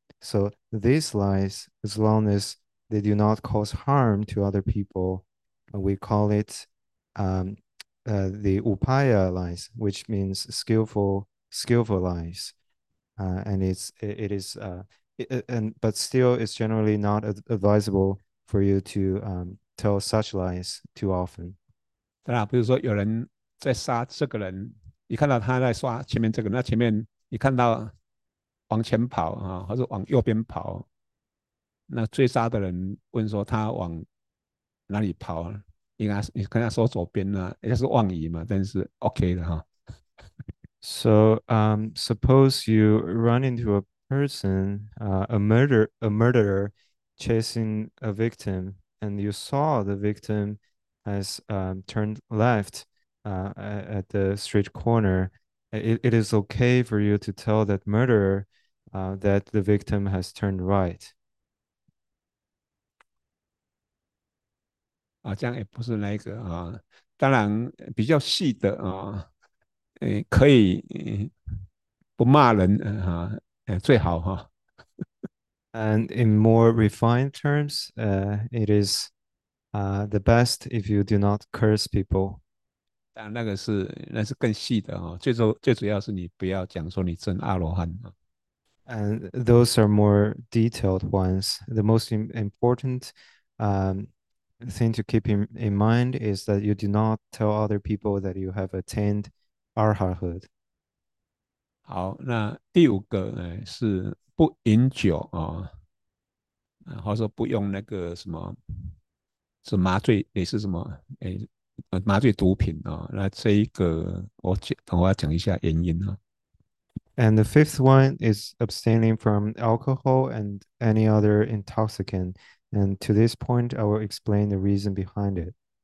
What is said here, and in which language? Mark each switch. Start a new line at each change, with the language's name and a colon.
English: So these lies, as long as they do not cause harm to other people, we call it the upaya lies, which means skillful lies. And but still it's generally not advisable for you to tell such lies too often.
Chinese: 当然，比如说有人在杀这个人，你看到他在刷前面这个，那前面你看到往前跑啊，或者往右边跑，那追杀的人问说他往哪里跑，应该你跟他说左边呢，也就是妄语嘛，但是 OK 的哈。
English: So, suppose you run into a person, a murderer chasing a victim, and you saw the victim has turned left at the street corner. It is okay for you to tell that murderer that the victim has turned right.
Chinese: 啊，这样也不是那个啊，当然比较细的啊，可以不骂人啊，最好哈。
English: And in more refined terms, it is the best if you do not curse people.
Chinese: 但那是更细的啊，最主要是你不要讲说你真阿罗汉啊。
English: And those are more detailed ones. The most important thing to keep in mind is that you do not tell other people that you have attained arhathood.
Chinese: 好，那第五个是不饮酒啊，或者说不用那个什么，是麻醉，也是什么，麻醉毒品啊。那这一个我要讲一下原因啊。
English: And the fifth one is abstaining from alcohol and any other intoxicant. And to this point, I will explain the reason behind it.